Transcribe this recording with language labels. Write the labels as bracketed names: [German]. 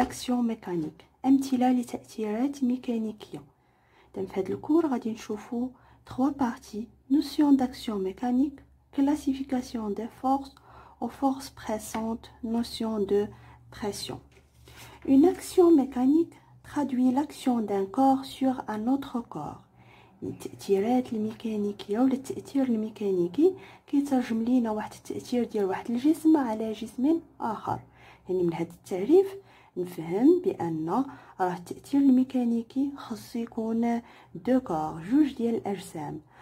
[Arabic] تأثير ميكانيك امتلال تأثيرات ميكانيكية. دم في هذا الكور غادي نشوفو 3 بارتي: [French] نوسيون داكسيون ميكانيك، كلاسيفيكاسيون دي فورس او فورس بريسانت، نوسيون دو بريسيون. Une action mécanique traduit l'action d'un corps sur un autre corps. [Arabic] التأثيرات الميكانيكية ولا التأثير الميكانيكي كيترجم لينا واحد التأثير ديال واحد الجسم على جسم آخر. يعني من هذا التعريف نفهم بأن راه التأثير الميكانيكي خص يكون دو كور، جوج ديال الأجسام.